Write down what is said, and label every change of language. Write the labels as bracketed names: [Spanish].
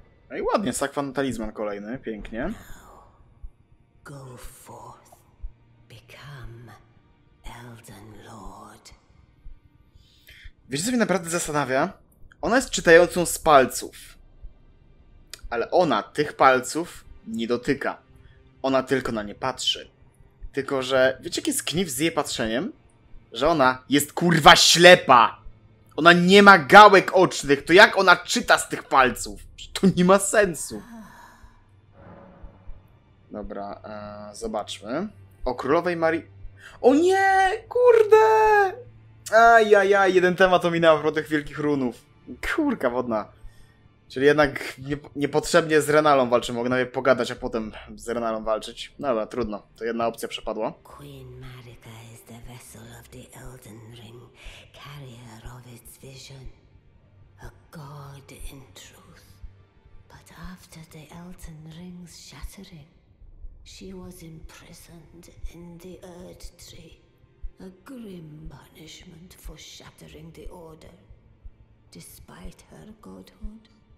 [Polish] No i ładnie, Sakwan Talizman kolejny, pięknie. [English] Go forth, become Elden Lord. [Polish] Wiesz, co mnie naprawdę zastanawia? Ona jest czytającą z palców. Ale ona tych palców nie dotyka. Ona tylko na nie patrzy. Tylko, że wiecie, jaki jest kniw z jej patrzeniem? Że ona jest kurwa ślepa! Ona nie ma gałek ocznych, to jak ona czyta z tych palców? To nie ma sensu. Dobra, zobaczmy. O królowej Marii... O nie! Kurde! Ajajaj, jeden temat ominęła w tych wielkich runów. Kurka wodna. Czyli jednak niepotrzebnie z Renalą walczę. Mogę nawet pogadać, a potem z Renalą walczyć. No dobra, trudno. To jedna opcja przepadła. [English] Queen Marika is the vessel of the Elden Ring. Carrier of its vision. A god in truth. But after the Elden Ring's shattering, she was imprisoned in the Erd Tree, a grim punishment for shattering the Order, despite her godhood.